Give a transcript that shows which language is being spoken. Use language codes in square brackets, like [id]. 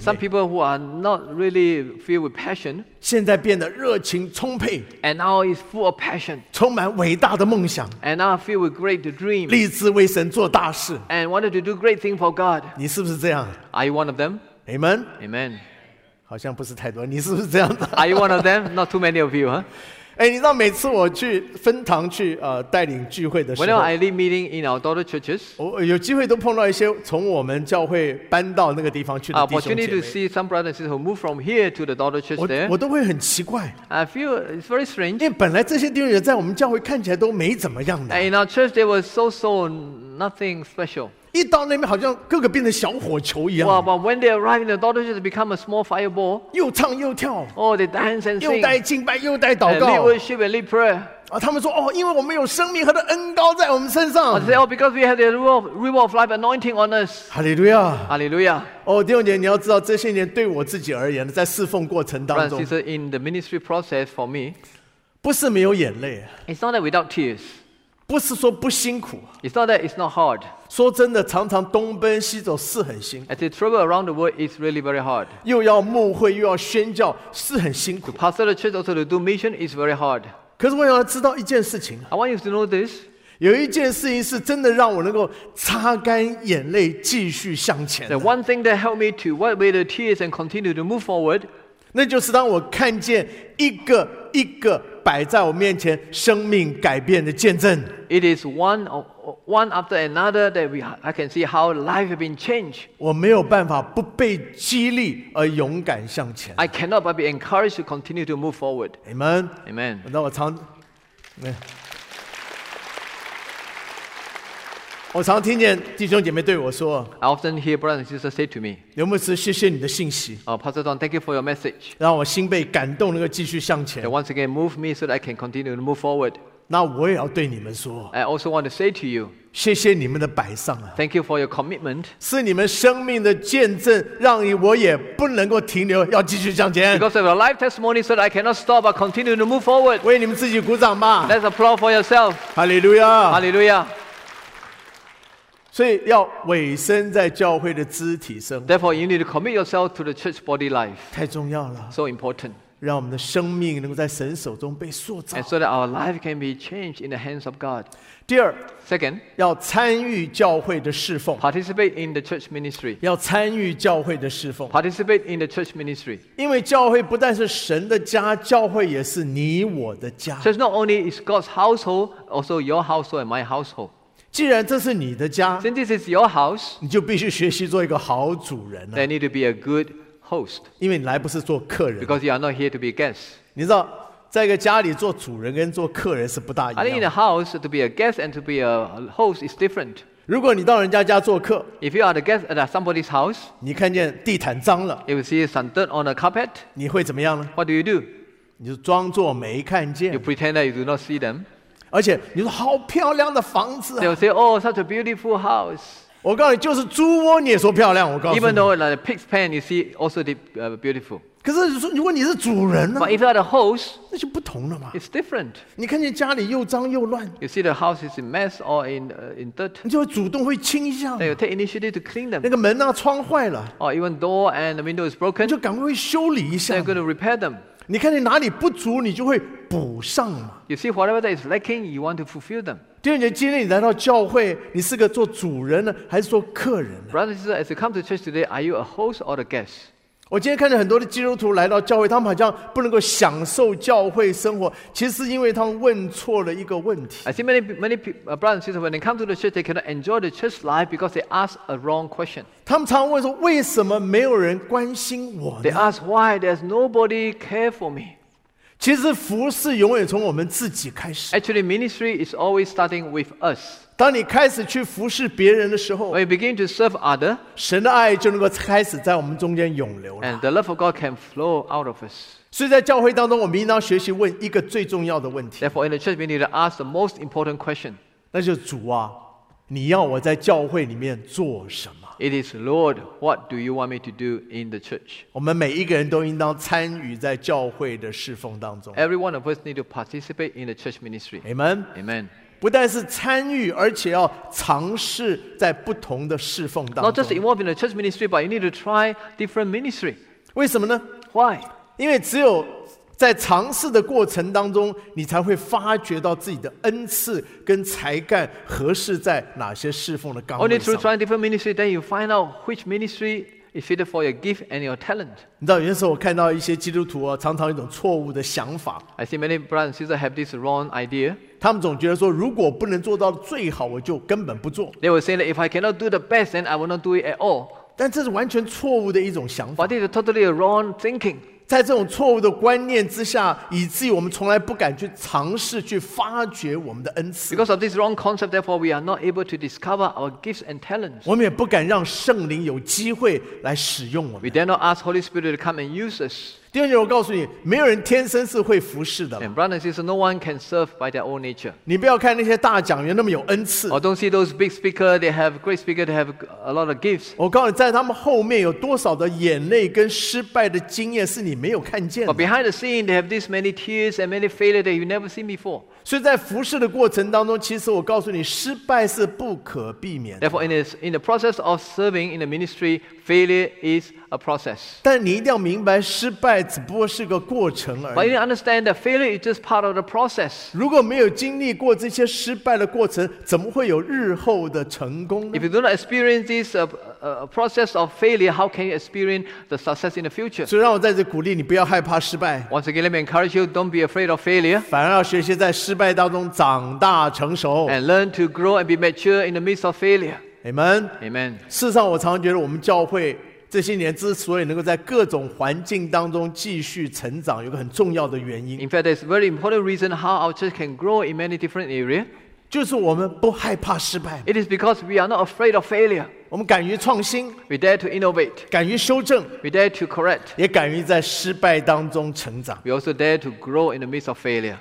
[en] And some people who are not really filled with passion. [zh] 现在变得热情充沛。 [en] And now is full of passion. [zh] 充满伟大的梦想。 [en] And now filled with great dreams. [zh] 立志为神做大事。 [en] And wanted to do great things for God. [zh] 你是不是这样？ [en] Are you one of them? Amen. Amen. [zh] 好像不是太多，你是不是这样的？ [en] Are you one of them? Not too many of you, huh? [zh] 哎，你知道每次我去分堂去带领聚会的时候 [en] ，Whenever I lead meeting in our daughter churches, [zh] 我有机会都碰到一些从我们教会搬到那个地方去的弟兄姐妹。 [en] Opportunity to see some brothers who move from here to the daughter church there. [zh] 我都会很奇怪。 [en] I feel it's very strange. [zh] 因为本来这些弟兄姐妹在我们教会看起来都没怎么样的。 [en] In our church, they were so nothing special. [zh] 一到那边好像个个变成小火球一样。 [en] Well, but when they arrive in the daughter church, become a small fireball. [zh] 又唱又跳。 [en] Oh, they dance and sing. [zh] 又带敬拜，又带祷告。 [en] And lead worship and lead prayer. [zh] 他们说，因为我们有生命和的恩膏在我们身上。 [en] I say, oh, because we have the river of life anointing on us. Hallelujah. Hallelujah. [zh] 弟兄姐妹，你要知道，这些年对我自己而言，在侍奉过程当中 [en] ，Brothers, in the ministry process for me, [zh] 不是没有眼泪。 [en] It's not that without tears. [zh] 不是说不辛苦。 [en] It's not that it's not hard. [zh] 说真的，常常东奔西走是很辛苦。 [en] As you travel around the world, it's really very hard. [zh] 又要牧会，又要宣教，是很辛苦。 [en] To pastor the church, also to do mission, is very hard. [zh] 可是我要知道一件事情。 [en] I want you to know this. [zh] 有一件事情是真的让我能够擦干眼泪继续向前。 [en] The one thing that helped me to wipe away the tears and continue to move forward. [zh] 那就是当我看见一个一个摆在我面前生命改变的见证。 [en] It is one after another that I can see how life has been changed. [zh] 我没有办法不被激励而勇敢向前。 [en] I cannot but be encouraged to continue to move forward. Amen. Amen. [zh] 那我常，我常听见弟兄姐妹对我说 [en] ，I often hear brothers and sisters say to me， [zh] 刘牧师，谢谢你的信息。 [en] Pastor Don, thank you for your message， [zh] 让我心被感动，能够继续向前。 [en] That once again move me so that I can continue to move forward。 [zh] 那我也要对你们说 [en] ，I also want to say to you， [zh] 谢谢你们的摆上啊 [en] ，Thank you for your commitment， [zh] 是你们生命的见证，让我也不能够停留，要继续向前。 [en] Because of your life testimony, so that I cannot stop but continue to move forward。 [zh] 为你们自己鼓掌吧 [en] ，Let's applaud for yourself。 Hallelujah。 Hallelujah。 [zh] 所以要委身在教会的肢体生活。 [en] Therefore, you need to commit yourself to the church body life. [zh] 太重要了。 [en] So important. [zh] 让我们的生命能够在神手中被塑造。 [en] And so that our life can be changed in the hands of God. [zh] 第二 [en] ，second， [zh] 要参与教会的侍奉。 [en] Participate in the church ministry. [zh] 要参与教会的侍奉。 [en] Participate in the church ministry. [zh] 因为教会不但是神的家，教会也是你我的家。 [en] So it's not only is God's household, also your household and my household. [zh] 既然这是你的家 [en] Since this is your house, [zh] 你就必须学习做一个好主人、啊、 [en] They need to be a good host [zh] 因为你来不是做客人 [en] Because you are not here to be a guest [zh] 你知道在一个家里做主人跟做客人是不大一样 [en] I think in a house to be a guest and to be a host is different [zh] 如果你到人家家做客 [en] If you are the guest at somebody's house [zh] 你看见地毯脏了 [en] If you see some dirt on the carpet [zh] 你会怎么样呢 [en] What do you do? [zh] 你就装作没看见 [en] You pretend that you do not see them [zh] 而且你说好漂亮的房子、啊、 [en] They'll say, oh, such a beautiful house. [zh] 我告诉你就是猪窝你也说漂亮我告诉你 [en] Even though like, the pig's pen you see also beautiful. [zh] 可是如果你是主人、啊、 [en] But if you're the host, [zh] 那就不同了嘛 [en] It's different. [zh] 你看见家里又脏又乱 [en] You see the house is in mess or in dirt. [zh] 你就会主动会清一下 [en] They'll take initiative to clean them. [zh] 那个门啊窗坏了 [en] Or even door and the window is broken. [zh] 你就赶快会修理一下 [en] They're going to repair them. [zh] 你看见哪里不足你就会补上嘛 [en] You see, whatever that is lacking, you want to fulfill them. [zh] 弟兄姐妹，今天你来到教会，你是个做主人呢，还是做客人呢？ [en] Brothers and sisters, as you come to church today, are you a host or a guest? [zh] 我今天看见很多的基督徒来到教会，他们好像不能够享受教会生活，其实是因为他们问错了一个问题。 [en] I see many people, brothers and sisters, when they come to the church, they cannot enjoy the church life because they ask a wrong question. [zh] 他们常问说，为什么没有人关心我呢？ [en] They ask why there's nobody care for me. [zh] 其实服事永远从我们自己开始。 [en] Actually, ministry is always starting with us. [zh] 当你开始去服事别人的时候 [en] ，When you begin to serve others, [zh] 神的爱就能够开始在我们中间涌流了。 [en] And the love of God can flow out of us. [zh] 所以在教会当中，我们应当学习问一个最重要的问题。 [en] Therefore, in the church, we need to ask the most important question. [zh] 那就是主啊，你要我在教会里面做什么？ [en] It is Lord, what do you want me to do in the church? [zh] 我们每一个人都应当参与在教会的侍奉当中。 [en] Every one of us need to participate in the church ministry. Amen. Amen. [zh] 不但是参与，而且要尝试在不同的侍奉当中。 [en] Not just involved in the church ministry, but you need to try different ministry. [zh] 为什么呢 [en] ？Why? [zh] 因为只有在尝试的过程当中，你才会发觉到自己的恩赐跟才干合适在哪些侍奉的岗位上。 [en] Only through trying different ministry, then you find out which ministry is fitted for your gift and your talent. [zh] 你知道，有些时候我看到一些基督徒啊，常常有一种错误的想法。 [en] I see many brothers and sisters have this wrong idea. [zh] 他们总觉得说，如果不能做到最好，我就根本不做。 [en] They will say that if I cannot do the best, then I will not do it at all. [zh] 但这是完全错误的一种想法。 [en] But it is totally a wrong thinking. [zh] 在这种错误的观念之下，以至于我们从来不敢去尝试去发掘我们的恩赐。 [en] Because of this wrong concept, therefore we are not able to discover our gifts and talents. [zh] 我们也不敢让圣灵有机会来使用我们。 [en] We dare not ask Holy Spirit to come and use us. [zh] 弟兄姐妹，我告诉你，没有人天生是会服事的。 [en] And brothers and sisters, no one can serve by their own nature. [zh] 你不要看那些大讲员那么有恩赐。 [en] Or don't see those big speakers, they have great speakers, they have a lot of gifts. [zh] 我告诉你，在他们后面有多少的眼泪跟失败的经验是你没有看见的。 [en] But behind the scene, they have this many tears and many failures that you've never seen before. [zh] 所以在服事的过程当中，其实我告诉你，失败是不可避免的。 [en] Therefore, in the process of serving in the ministry, failure is a process. [zh] 但你一定要明白，失败只不过是个过程而已。 [en] But you understand that failure is just part of the process. [zh] 如果没有经历过这些失败的过程，怎么会有日后的成功呢 [en] ？If you do not experience this process of failure, how can you experience the success in the future? [zh] 所以让我再次鼓励你，不要害怕失败。 [en] Once again, let me encourage you, don't be afraid of failure. [zh] 反而要学习在失败当中长大成熟。 [en] And learn to grow and be mature in the midst of failure. Amen. Amen. [zh] 事实上，我常觉得我们教会这些年之所以能够在各种环境当中继续成长，有个很重要的原因。 [en] In fact, it's a very important reason how our church can grow in many different areas. [zh] 就是我们不害怕失败。 [en] It is because we are not afraid of failure. [zh] 我们敢于创新。 [en] We dare to innovate. [zh] 敢于修正。 [en] We dare to correct. [zh] 也敢于在失败当中成长。 [en] We also dare to grow in the midst of failure.